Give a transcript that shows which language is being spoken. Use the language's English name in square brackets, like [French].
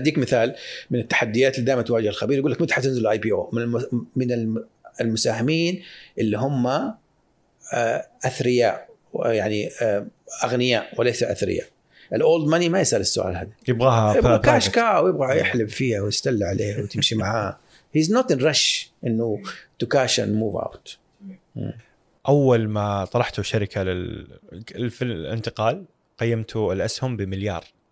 [Arabic] أديك مثال من التحديات اللي دائما تواجه الخبير يقول لك متى حتنزل الاي بي او من المساهمين اللي هم أثرياء يعني أغنياء وليس أثرياء. الأولد ماني ما يسأل السؤال هذا يبغاها كاش كاو يبغى يحلب فيها ويستل عليها وتمشي معها. [English] He's not in rush إنه to cash and move out. [Arabic] أول ما طرحته شركة في الانتقال قيمته الأسهم بمليار